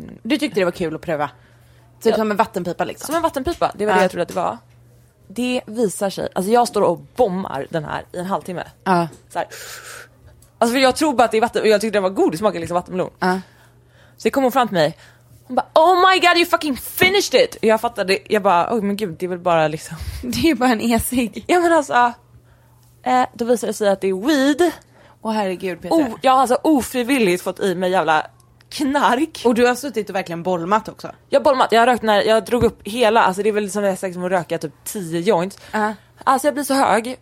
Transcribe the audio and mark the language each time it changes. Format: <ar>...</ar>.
<sv>Du tyckte det var kul att pröva. Typ som en vattenpipa liksom. Som en vattenpipa, det var det jag trodde att det var. Det visar sig, alltså jag står och bombar den här i en halvtimme. Så här. Alltså för jag tror bara att det är vatten, och jag tyckte det var god, det smakade liksom vattenmelon. Så det kom hon fram till mig. Hon bara,</sv> <en>oh my god, you fucking finished it.</en> <sv>Jag fattade, jag bara,</sv> <en>oh my god,</en> <sv>det är väl bara liksom. Det är bara en esig. Ja men alltså, då visar det sig att det är weed. Åh herregud Peter. Jag har alltså ofrivilligt fått i mig jävla knark. Och du har suttit och verkligen bolmat också. Jag bolmat, jag har rökt när jag drog upp hela. Alltså det är väl som det är som att röka typ 10 joints. Alltså jag blir så hög.</sv>